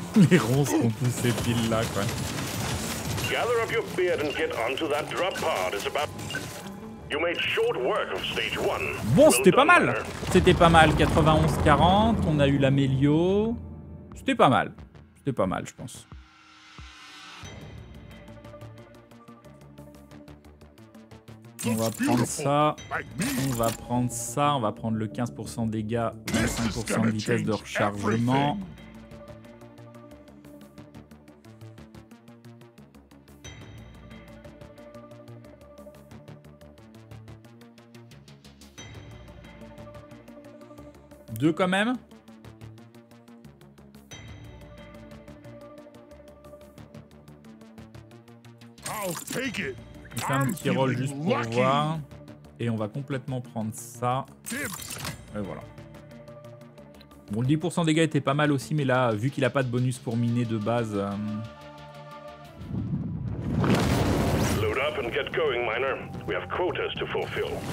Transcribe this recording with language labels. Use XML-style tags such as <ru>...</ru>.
<fr>Les ronces ont poussé pile là, quoi.</fr> <en>Gather up your beard and get onto that drop pod. It's about... You made short work of stage one.</en> <fr>Bon, c'était pas mal. C'était pas mal. 91-40, on a eu la Melio. C'était pas mal. C'était pas mal, je pense. On va prendre ça. On va prendre ça. On va prendre le 15% dégâts, 25% de vitesse de rechargement. Deux quand même. On fait un petit roll juste pour voir. Et on va complètement prendre ça. Et voilà. Bon, le 10% dégâts était pas mal aussi, mais là, vu qu'il a pas de bonus pour miner de base.</fr> <en>Load up and get going, miner. We have quotas to fulfill.</en>